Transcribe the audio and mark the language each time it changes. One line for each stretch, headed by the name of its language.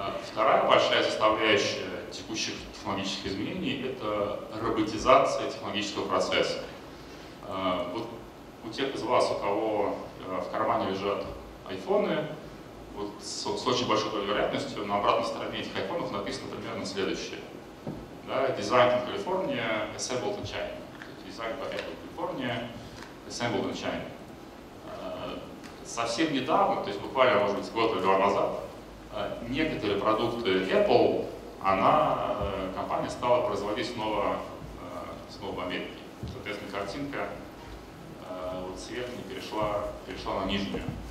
Russian: Вторая большая составляющая текущих технологических изменений — это роботизация технологического процесса. Вот у тех из вас, у кого в кармане лежат айфоны, вот с очень большой долей вероятностью на обратной стороне этих айфонов написано примерно следующее.
English: Да, designed in California, assembled in China. Designed by Apple California, assembled in China.
Russian: Совсем недавно, то есть буквально, может быть, год или два назад, некоторые продукты Apple, компания стала производить снова в Америке. Соответственно, картинка вот с верхней перешла на нижнюю.